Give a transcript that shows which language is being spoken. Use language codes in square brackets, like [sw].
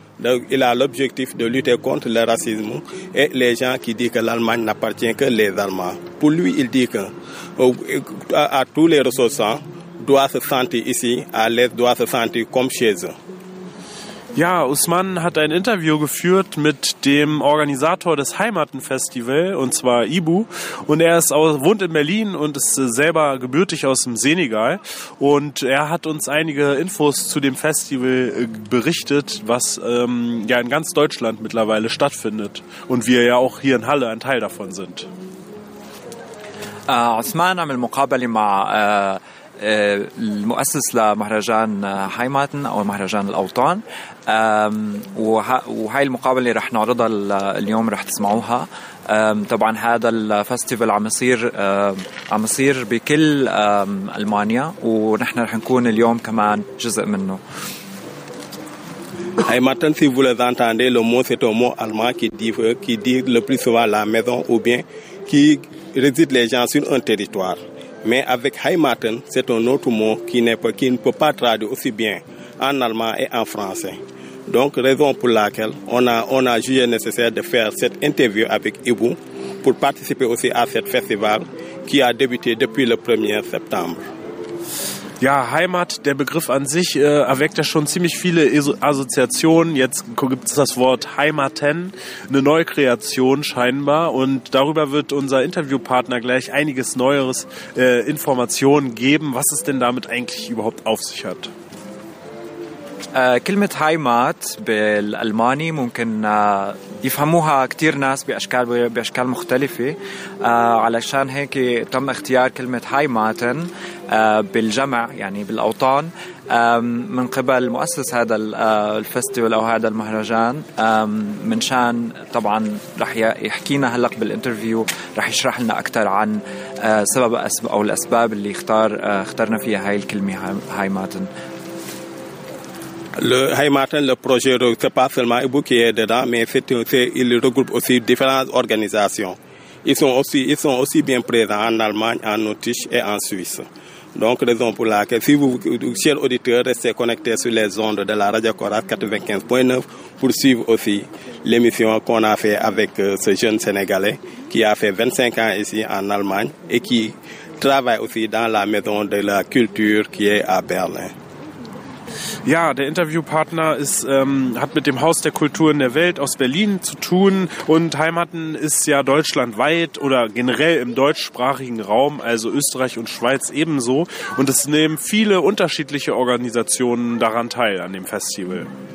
[fr] Donc, il a l'objectif de lutter contre le racisme et les gens qui disent que l'Allemagne n'appartient que les Allemands. Pour lui, il dit qu'à tous les ressortissants, doit se sentir ici, à l'aise, doit se sentir comme chez eux. [de] Ja, Usman hat ein Interview geführt mit dem Organisator des Heimatenfestival, und zwar Ibu. Und er wohnt in Berlin und ist selber gebürtig aus dem Senegal. Und er hat uns einige Infos zu dem Festival berichtet, was in ganz Deutschland mittlerweile stattfindet. Und wir ja auch hier in Halle ein Teil davon sind. Usman hat [ar] المقابله مع المؤسس لمهرجان هايماتن أو مهرجان الأوطان وهاي المقابلة اللي رح نعرضها اليوم رح تسمعوها طبعا هذا الفستيفال عم يصير بكل ألمانيا ونحن رح نكون اليوم كمان جزء منه [fr] Heimaten, si vous les entendez, le mot c'est un mot allemand qui dit le plus souvent la maison ou bien qui réside les gens sur un territoire. Mais avec Heimaten, c'est un autre mot qui ne peut pas traduire aussi bien en allemand et en français. Donc, raison pour laquelle on a jugé nécessaire de faire cette interview avec Ibu pour participer aussi à ce festival qui a débuté depuis le 1er septembre. [de] Ja, Heimat, der Begriff an sich erweckt ja schon ziemlich viele Assoziationen. Jetzt gibt es das Wort Heimaten, eine Neukreation scheinbar. Und darüber wird unser Interviewpartner gleich einiges Neueres Informationen geben, was es denn damit eigentlich überhaupt auf sich hat. [ar] كلمة هايمات بالألماني ممكن يفهموها كتير ناس بأشكال مختلفة علشان هيك تم اختيار كلمة هايماتن بالجمع يعني بالأوطان من قبل مؤسس هذا الفستيفال أو هذا المهرجان منشان طبعا رح يحكينا هلق بالانترفيو رح يشرح لنا أكتر عن سبب أو الأسباب اللي اخترنا فيها هاي الكلمة هايماتن [fr] Le Heimaten, le projet, ce n'est pas seulement Ibu qui est dedans, mais il regroupe aussi différentes organisations. Ils sont aussi bien présents en Allemagne, en Autriche et en Suisse. Donc, raison pour laquelle, si vous, chers auditeurs, restez connectés sur les ondes de la Radio Coras 95.9 pour suivre aussi l'émission qu'on a fait avec ce jeune Sénégalais qui a fait 25 ans ici en Allemagne et qui travaille aussi dans la maison de la culture qui est à Berlin. [de] Ja, der Interviewpartner hat mit dem Haus der Kultur in der Welt aus Berlin zu tun und Heimaten ist ja deutschlandweit oder generell im deutschsprachigen Raum, also Österreich und Schweiz ebenso und es nehmen viele unterschiedliche Organisationen daran teil an dem Festival.